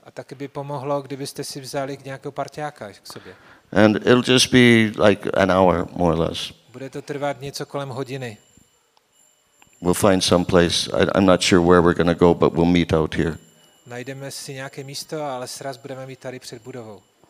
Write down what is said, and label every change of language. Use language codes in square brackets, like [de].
[cs] Taky by pomohlo, kdybyste si vzali nějakého parťáka k sobě. [en] And it'll just be like an hour, more or less. [cs] Bude to trvat něco kolem hodiny. [en] We'll find some place. I'm not sure where we're going to go, but we'll meet out here. [cs] Najdeme si nějaké místo, ale sraz budeme mít tady před budovou.